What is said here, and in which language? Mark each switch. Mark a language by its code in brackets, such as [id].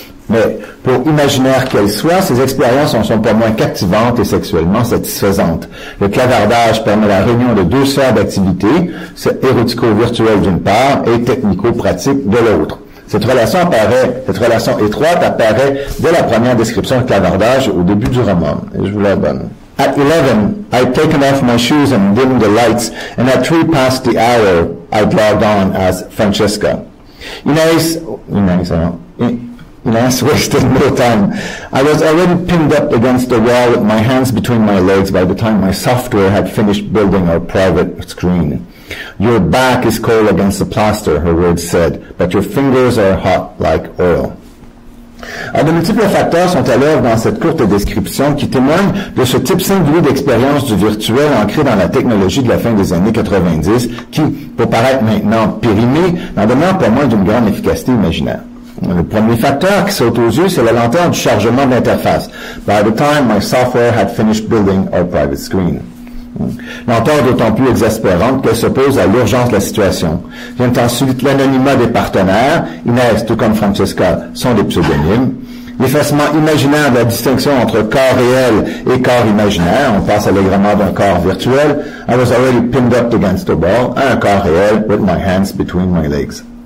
[fr] Mais pour imaginaire qu'elle soit, ces expériences en sont pas moins captivantes et sexuellement satisfaisantes. Le clavardage permet la réunion de deux sphères d'activité, c'est érotico-virtuel d'une part et technico-pratique de l'autre. Cette relation étroite apparaît dès la première description de clavardage au début du roman. Et je vous la donne. [en] At 11, I'd taken off my shoes and dimmed the lights, and at 3 past the hour, I'd logged on as Francesca. Inès wasted no time. I was already pinned up against the wall with my hands between my legs by the time my software had finished building our private screen. Your back is cold against the plaster, her words said, but your fingers are hot like oil. [fr] Alors, de multiples facteurs sont à l'œuvre dans cette courte description qui témoigne de ce type singulier d'expérience du virtuel ancré dans la technologie de la fin des années 90 qui, pour paraître maintenant périmée, n'en demeure pas moins d'une grande efficacité imaginaire. Le premier facteur qui saute aux yeux, c'est la lenteur du chargement de l'interface. [en] By the time my software had finished building our private screen. [fr] L'entente d'autant plus exaspérante qu'elle s'oppose à l'urgence de la situation. Vient ensuite l'anonymat des partenaires, Inès, tout comme Francesca, sont des pseudonymes. L'effacement imaginaire de la distinction entre corps réel et corps imaginaire, on passe allègrement d'un corps virtuel, [en] I was already pinned up against the wall, [fr] à un corps réel, [en] with my hands between my legs.